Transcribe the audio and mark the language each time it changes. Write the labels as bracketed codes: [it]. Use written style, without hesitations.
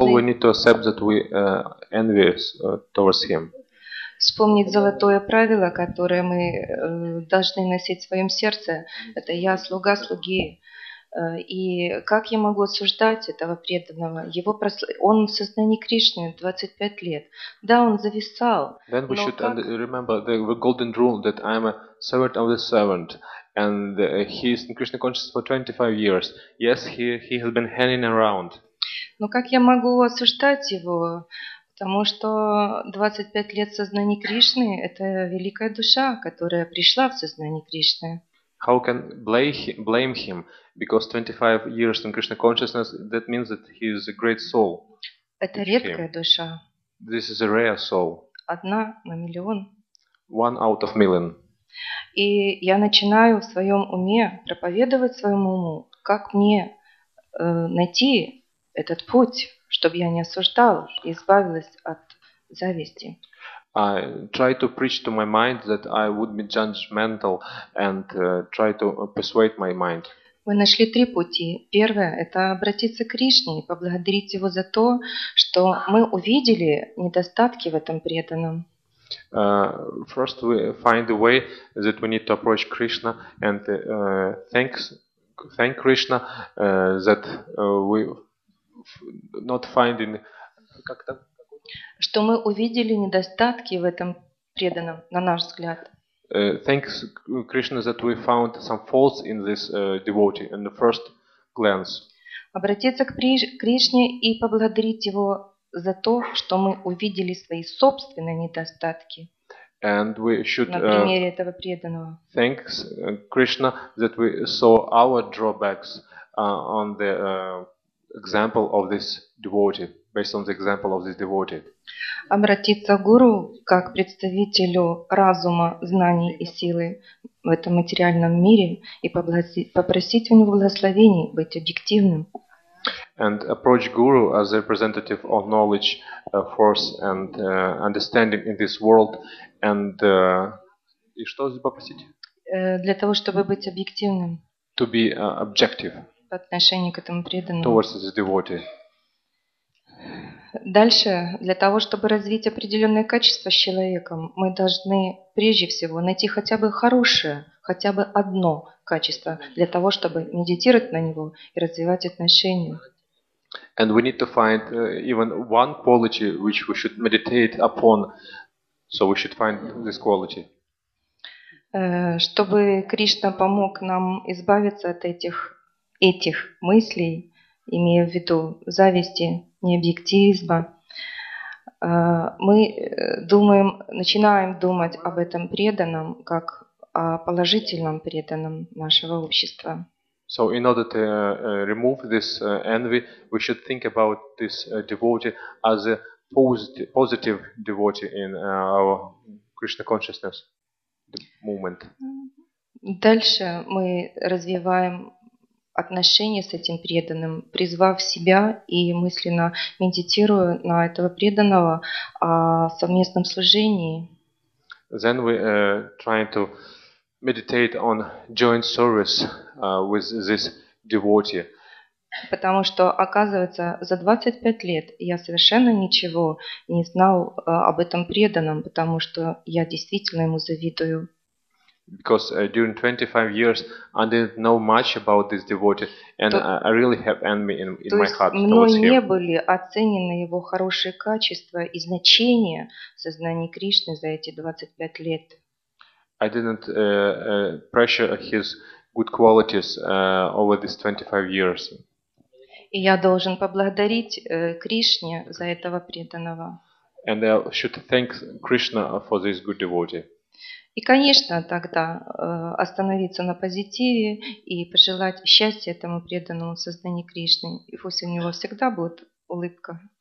[en] of all, we need to accept that we envious towards him. [ru] Вспомнить золотое правило, которое мы должны носить в своем сердце. Это «я слуга слуги». И как я могу осуждать этого преданного? Его он в сознании Кришны 25 лет. Да, он зависал. [en] Then we should remember the golden rule that I am a servant of the servant and he is in Krishna consciousness for 25 years. Yes, he has been hanging around. [ru] Но как я могу осуждать его? Потому что 25 лет в сознании Кришны – это великая душа, которая пришла в сознание Кришны. [en] How can blame him? Because 25 years in Krishna consciousness, that means that he is a great soul. [ru] Это редкая душа. [en] This is a rare soul. [ru] Одна на миллион. [en] One out of million. [ru] И я начинаю в своем уме проповедовать своему уму, как мне найти этот путь, чтобы я не осуждал и избавилась от зависти. [en] I try to preach to my mind that I would be judgmental and try to persuade my mind. [ru] Мы нашли три пути. Первое – это обратиться к Кришне и поблагодарить Его за то, что мы увидели недостатки в этом преданном. [en] First we find a way that we need to approach Krishna and thank Krishna that we not finding [ru] как-то что мы увидели недостатки в этом преданном, на наш взгляд. [en] Thanks Krishna that we found some faults in this devotee in the first glance. [ru] Обратиться к Кришне и поблагодарить его за то, что мы увидели свои собственные недостатки. [en] And we should [ru] на примере этого преданного. [en] Thanks Krishna that we saw our drawbacks on the example of this devotee. Based on the example of this devotee. [ru] Обратиться к гуру как представителю разума, знаний и силы в этом материальном мире и попросить у него благословений быть объективным. [en] And approach guru as a representative of knowledge, force and understanding in this world and [ru] и что здесь попросить? Для того, чтобы быть объективным. [en] To be objective. [ru] По отношению к этому преданному. [en] Towards this devotee. [ru] Дальше, для того, чтобы развить определенные качества с человеком, мы должны прежде всего найти хотя бы хорошее, хотя бы одно качество, для того, чтобы медитировать на него и развивать отношения. [en] And we need to find even one quality which we should meditate upon, so we should find this quality. [ru] Чтобы Кришна помог нам избавиться от этих мыслей, имея в виду зависти, необъективизма, мы думаем, начинаем думать об этом преданном как о положительном преданном нашего общества. [en] So in order to remove this envy, we should think about this devotee as a positive devotee in our Krishna consciousness movement. [ru] Дальше мы развиваем отношения с этим преданным, призвав себя и мысленно медитируя на этого преданного о совместном служении. [en] Then we try to meditate on joint service with this devotee. [ru] Потому что, оказывается, за 25 лет я совершенно ничего не знал об этом преданном, потому что я действительно ему завидую. [en] Because during 25 years I didn't know much about this devotee and I really have envy in my heart towards him. [ru] То есть мной не были оценены его хорошие качества и значение сознания Кришны за эти 25 лет. [en] I didn't pressure his good qualities over these 25 years. [ru] И я должен поблагодарить Кришне за этого преданного. [en] And I should thank Krishna for this good devotee. [ru] И, конечно, тогда остановиться на позитиве и пожелать счастья этому преданному сознанию Кришны. И пусть у него всегда будет улыбка.